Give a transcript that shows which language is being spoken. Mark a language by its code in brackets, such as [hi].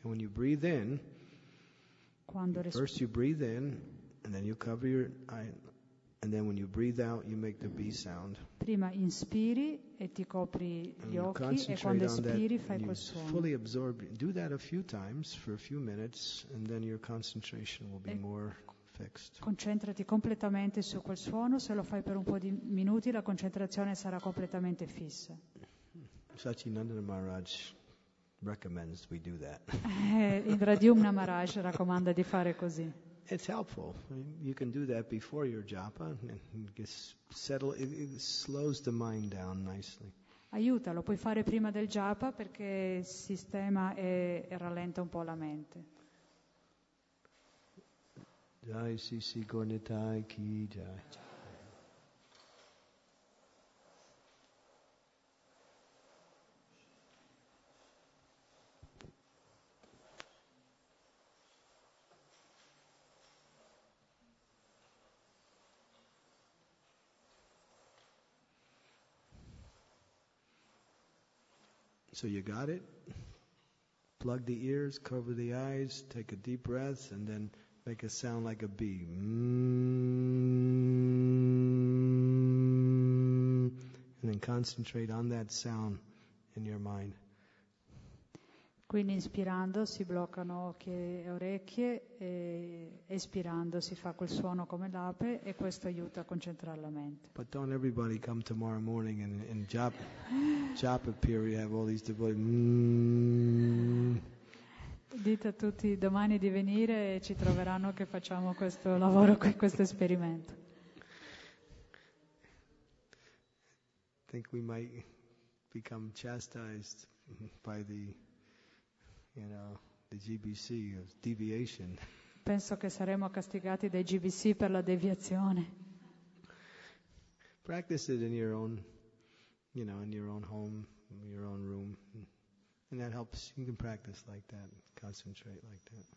[en] And when you breathe in, first you breathe in, and then you cover your eye, and then when you breathe out, you make the bee sound. [it] Prima inspiri e ti copri gli occhi, e quando espiri fai quel suono. [en] Fully absorb. Do that a few times for a few minutes, and then your concentration will be more fixed. [it] Concentrati completamente su quel suono. Se lo fai per un po' di minuti, la concentrazione sarà completamente fissa. [en] Satchinandana Maharaj recommends we do that. [it] Il Radyumna Maharaj raccomanda di fare così. [en] It's helpful. You can do that before your japa and just settle. It slows the mind down nicely. [it] Aiuta, lo puoi fare prima del japa perché sistema e rallenta un po' la mente. Jai Sisi Gornitai Ki Jai. [en] So you got it? Plug the ears, cover the eyes, take a deep breath, and then make a sound like a bee. And then concentrate on that sound in your mind. [it] Quindi inspirando si bloccano occhi e orecchie, e espirando si fa quel suono come l'ape, e questo aiuta a concentrare la mente. [en] But don't everybody come tomorrow morning and in japa period have all these devotees. [it] Dite a tutti domani di venire e ci troveranno che facciamo questo lavoro qui, questo esperimento. [en] I think we might become chastised by the, you know, the GBC of deviation. [it] Penso che saremo castigati dai GBC per la deviazione. [en] Practice it in your own, you know, in your own home, in your own room, and that helps. You can practice like that, concentrate like that.